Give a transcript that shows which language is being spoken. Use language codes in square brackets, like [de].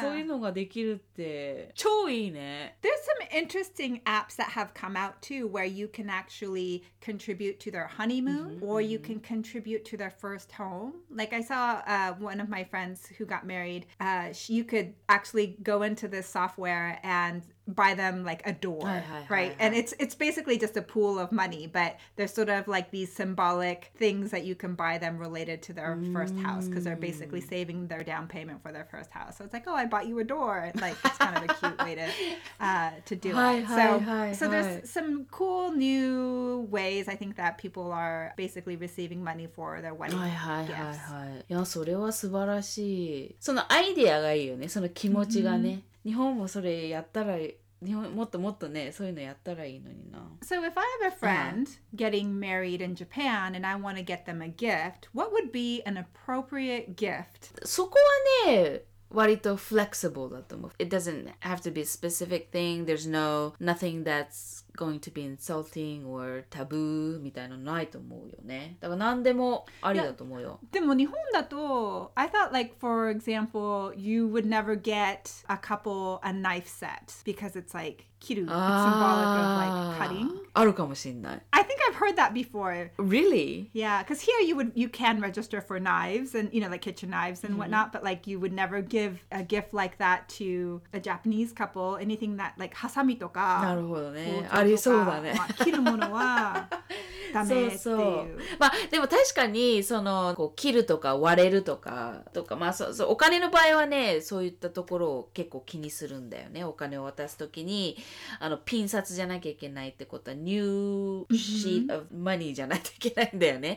[ja] そういうのができるって超いいね。 [en] There's some interesting apps that have come out too where you can actually contribute to their honeymoon or you can contribute to their first home. Like I saw one of my friends who got married, you could actually go into this software and buy them like a door, right? And it's basically just a pool of money, but there's sort of like these symbolic things that you can buy them related to their first house because they're basically saving their down payment for their first house. So it's like, oh, I bought you a door. Like, it's kind of a cute way to do it. So there's some cool new ways I think that people are basically receiving money for their wedding gifts. [ja] Yeah, それは素晴らしい。そのアイディアがいいよね。その気持ちがね。日本もそれやったら、日本もっともっとね、そういうのやったらいいのにな。 [en] So if I have a friend getting married in Japan and I want to get them a gift, what would be an appropriate gift? [ja] そこはね、割と flexible だと思う。 [en] It doesn't have to be a specific thing. There's nothing that's going to be insulting or taboo [ja] みたいなのないと思うよね。だから何でもありだと思うよ。でも日本だと、 [en] I thought like, for example, you would never get a couple a knife set because it's like, kiru. It's symbolic of like, cutting. [ja] あるかもしれない。 [en] I think I've heard that before. Really? Yeah, because here you can register for knives and, you know, like kitchen knives and whatnot, but like you would never give a gift like that to a Japanese couple, anything that like hasami とか。 [ja] なるほどね。ありそうだね。切るものはダメっていう。そうそう。まあでも確かにそのこう切るとか割れるとかまあそうお金の場合はね、そういったところを結構気にするんだよね。お金を渡すときにあのピン札じゃなきゃいけないってことは、 [en] new sheet of money [ja] じゃないといけないんだよね。